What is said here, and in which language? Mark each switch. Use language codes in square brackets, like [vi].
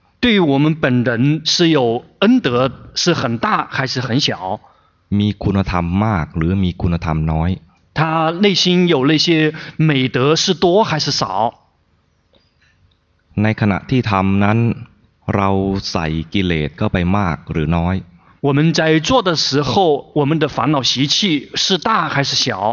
[zh] 对于我们本人是有恩德是很大还是很小 [th] มีคุณธรรมมากหรือมีคุณธรรมน้อย [zh] 他内心有那些美德是多还是少 [th] ในขณะที่ทำนั้นเราใส่กิเลสเข้าไปมากหรือน้อย [zh] 我们在做的时候我们的烦恼习气是大还是小